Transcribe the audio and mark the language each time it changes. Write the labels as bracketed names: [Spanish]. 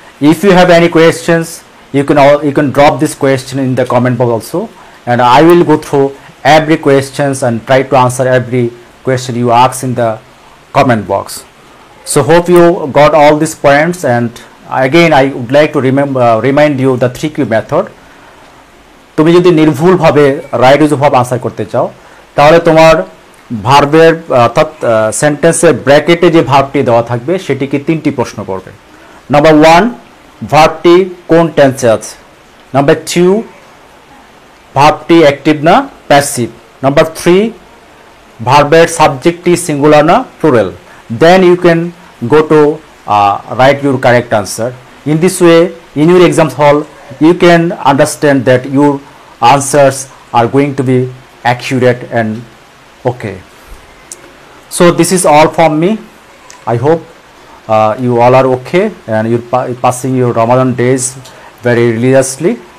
[English] If you have any questions you can drop this question in the comment box also and I will go through every questions and try to answer every question you ask in the comment box. So hope you got all these points, and again I would like to remind you the 3Q method. [Bangla] তুমি যদি নির্ভুল ভাবে right use ভাব answer করতে চাও তাহলে তোমার ভার্বের অর্থাৎ সেন্টেন্সের ব্র্যাকেটে যে ভার্বটি দেওয়া থাকবে সেটিকে তিনটি প্রশ্ন করবে। নাম্বার ওয়ান, ভার্বটি কোন টেন্সে আছে। নাম্বার টু, ভার্বটি অ্যাক্টিভ না প্যাসিভ। নাম্বার থ্রি, ভার্বের সাবজেক্টটি সিঙ্গুলার না plural. [English] Then you can go to write your correct answer. In this way, in your exam hall, you can understand that your answers are going to be accurate and okay. So this is all from me. I hope you all are okay and you're passing your Ramadan days very religiously.